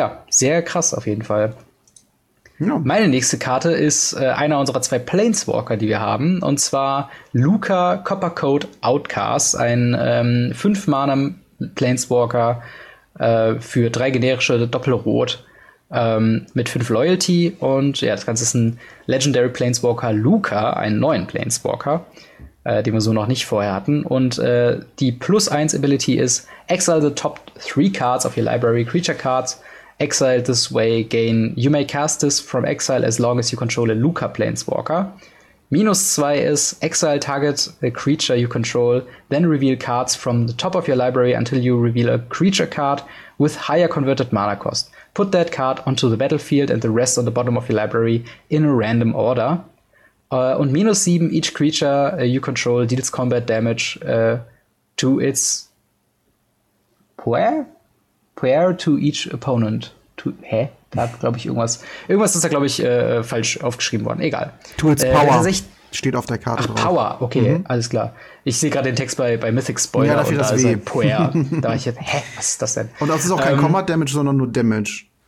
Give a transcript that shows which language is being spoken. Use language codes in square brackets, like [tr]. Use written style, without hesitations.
[de] Sehr krass auf jeden Fall. Ja. Meine nächste Karte ist einer unserer 2 Planeswalker, die wir haben, und zwar Luca Coppercoat Outcast, ein 5-Mana- Planeswalker für 3 generische Doppelrot mit 5 Loyalty, und ja, das Ganze ist ein Legendary Planeswalker Luca, einen neuen Planeswalker, den wir so noch nicht vorher hatten, und die +1 Ability ist: [en] Exile the top 3 cards of your library creature cards. Exile this way gain you may cast this from exile as long as you control a Luca Planeswalker. -2 ist: Exile target a creature you control, then reveal cards from the top of your library until you reveal a creature card with higher converted mana cost. Put that card onto the battlefield and the rest on the bottom of your library in a random order. [de] Und [en] -7, each creature you control deals combat damage to its Pair to each opponent. [de] Da hat, glaube ich, irgendwas. Irgendwas ist da, glaube ich, falsch aufgeschrieben worden. Egal. [en] To its Power. [de] Steht auf der Karte drauf. Power, okay, alles klar. Ich sehe gerade den Text bei Mythic Spoiler. Ja, da fehlt das W. Puer. Da war ich jetzt, was ist das denn? Und das ist auch kein Combat Damage, sondern nur Damage.